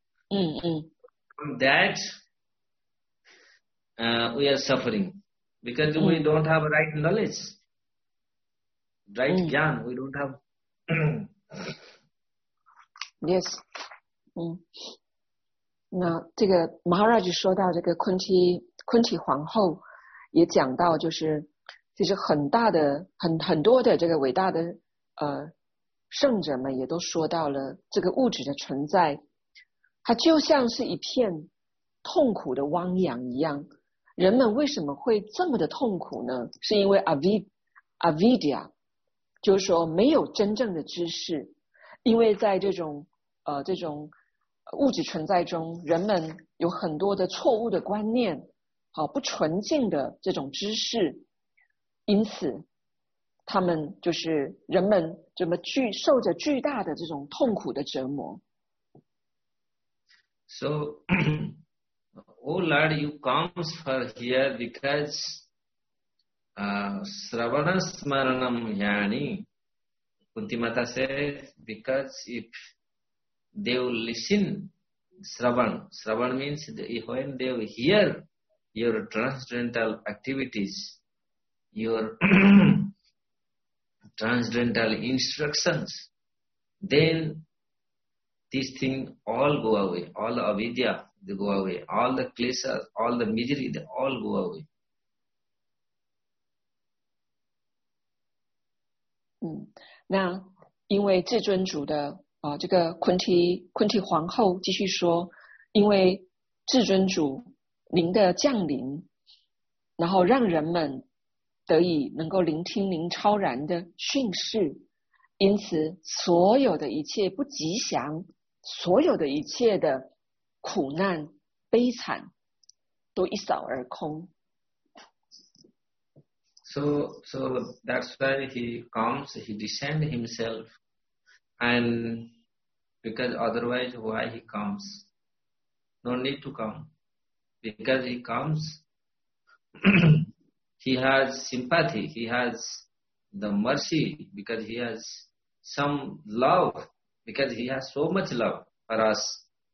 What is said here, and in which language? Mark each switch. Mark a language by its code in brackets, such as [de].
[en] From that, we are suffering. Because we don't have right knowledge, right jnana, we don't have. Yes. [zh] 那这个 Maharaj 说到这个 昆提 皇后 也讲到就是 其实很大的 很多的这个伟大的 圣者们 也都说到了 这个物质的存在它就像是一片 痛苦的汪洋一样 人们为什么会这么的痛苦呢 是因为 avidya 就是说没有真正的知识 因为在这种 这种 物质存在中，人们有很多的错误的观念，好不纯净的这种知识，因此，他们就是人们这么受着巨大的这种痛苦的折磨。So, [en] oh Lord, you comes for here because, Sravanasmaranam Yani, Kunti Mata says, because if they will listen. Sravan means when they hear your transcendental activities, your transcendental instructions, then this thing all go away, all the avidya they go away, all the klesha, all the misery, they all go away. Now, because [zh] 这个昆提皇后继续说，因为至尊主您的降临，然后让人们得以能够聆听您超然的训示，因此所有的一切不吉祥，所有的一切的苦难悲惨都一扫而空。So [en] that's why he comes, he descend himself, and because otherwise, why he comes? No need to come. Because he comes, he has sympathy, he has the mercy, because he has some love, because he has so much love for us.